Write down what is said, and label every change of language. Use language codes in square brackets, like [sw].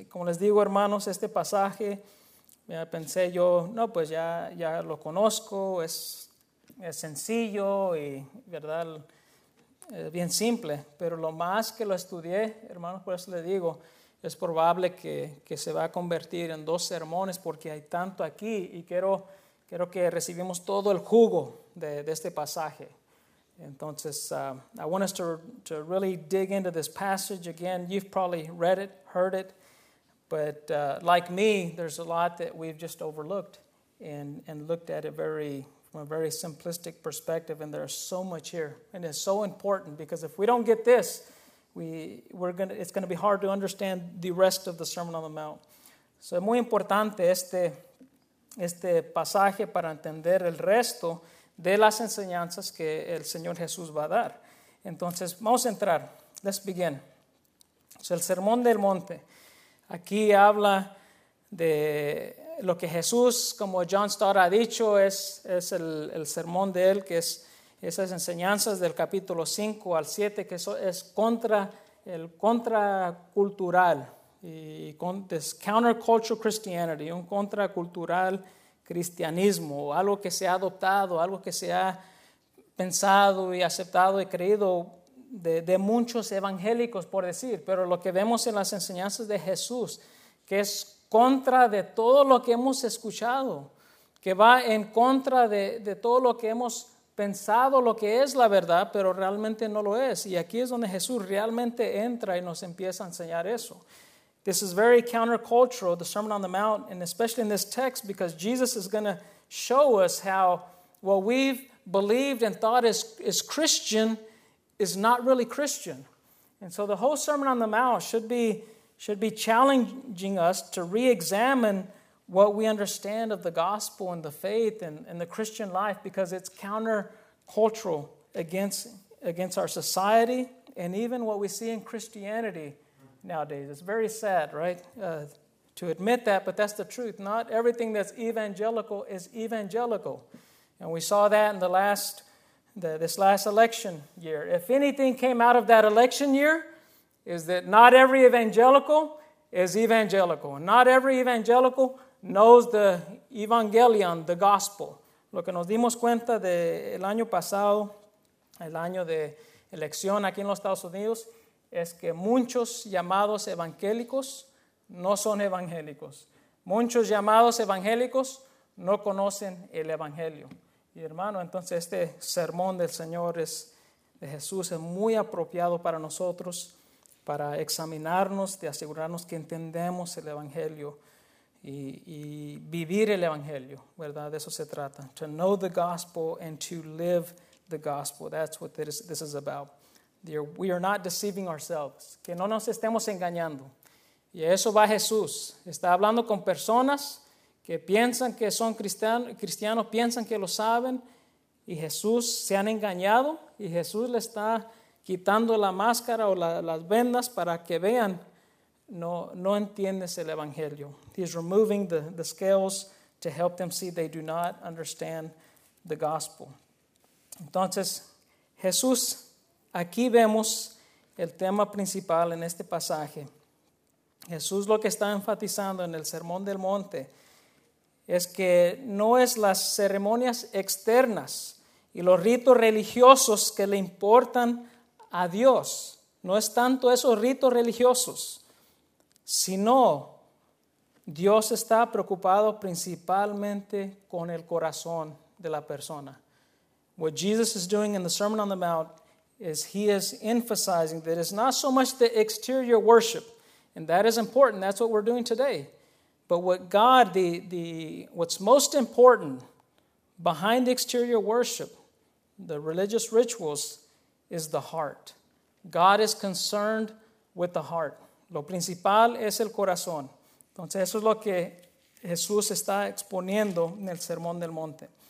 [es] Como les digo, hermanos, este pasaje, ya pensé yo, no, pues ya lo conozco, es sencillo y, ¿verdad?, es bien simple. Pero lo más que lo estudié, hermanos, por eso le digo, es probable que se va a convertir en 2 sermones porque hay tanto aquí y quiero que recibimos todo el jugo de este pasaje. [en] Entonces, I want us to really dig into this passage again. You've probably read it, heard it. But like me, there's a lot that we've just overlooked and looked at it from a very simplistic perspective. And there's so much here. And it's so important because if we don't get this, it's going to be hard to understand the rest of the Sermon on the Mount. [es] So es muy importante este pasaje para entender el resto de las enseñanzas que el Señor Jesús va a dar. Entonces, vamos a entrar. [en] Let's begin. [es] So el Sermón del Monte. Aquí habla de lo que Jesús, como John Stott ha dicho, es el sermón de él, que es esas enseñanzas del capítulo 5 al 7, que es contra el contracultural, es [en] counterculture Christianity, [es] un contracultural cristianismo, algo que se ha adoptado, algo que se ha pensado y aceptado y creído de muchos evangélicos, por decir, pero lo que vemos en las enseñanzas de Jesús, que es contra de todo lo que hemos escuchado, que va en contra de todo lo que hemos pensado, lo que es la verdad, pero realmente no lo es. Y aquí es donde Jesús realmente entra y nos empieza a enseñar eso. [en] This is very countercultural, the Sermon on the Mount, and especially in this text, because Jesus is going to show us how what we've believed and thought is Christian is not really Christian. And so the whole Sermon on the Mount should be challenging us to re-examine what we understand of the gospel and the faith and the Christian life, because it's counter-cultural against our society and even what we see in Christianity nowadays. It's very sad, right? to admit that, but that's the truth. Not everything that's evangelical is evangelical. And we saw that in this last election year. If anything came out of that election year, is that not every evangelical is evangelical. Not every evangelical knows the evangelion, the gospel. [es] Lo que nos dimos cuenta de el año pasado, el año de elección aquí en los Estados Unidos, es que muchos llamados evangélicos no son evangélicos. Muchos llamados evangélicos no conocen el evangelio. Y hermano, entonces este sermón del Señor es de Jesús es muy apropiado para nosotros para examinarnos, de asegurarnos que entendemos el evangelio y vivir el evangelio, ¿verdad? De eso se trata. [en] To know the gospel and to live the gospel. That's what this is about. Dear, we are not deceiving ourselves. [es] Que no nos estemos engañando. Y eso va Jesús. Está hablando con personas que piensan que son cristianos, piensan que lo saben, y Jesús se han engañado, y Jesús le está quitando la máscara o las vendas para que vean, no entiendes el evangelio. [en] He's removing the scales to help them see they do not understand the gospel. [es] Entonces, Jesús, aquí vemos el tema principal en este pasaje. Jesús lo que está enfatizando en el Sermón del Monte es que no es las ceremonias externas y los ritos religiosos que le importan a Dios. No es tanto esos ritos religiosos, sino Dios está preocupado principalmente con el corazón de la persona. [en] What Jesus is doing in the Sermon on the Mount is he is emphasizing that it's not so much the exterior worship, and that is important, that's what we're doing today. But what God, what's most important behind exterior worship, the religious rituals, is the heart. God is concerned with the heart. [es] Lo principal es el corazón. Entonces eso es lo que Jesús está exponiendo en el Sermón del Monte.